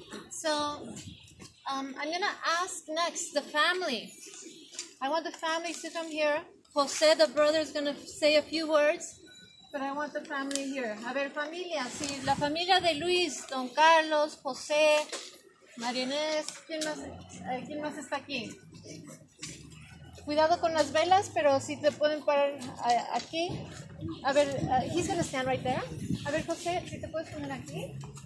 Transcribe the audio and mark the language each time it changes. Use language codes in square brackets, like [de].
[en] So, I'm going to ask next the family. I want the family to come here. José, the brother, is going to say a few words, but I want the family here. [es] A ver, familia, sí, la familia de Luis, Don Carlos, José, Marinés, ¿quién más está aquí? Cuidado con las velas, pero si te pueden parar aquí. A ver, [en] he's going to stand right there. [es] A ver, José, si te puedes poner aquí.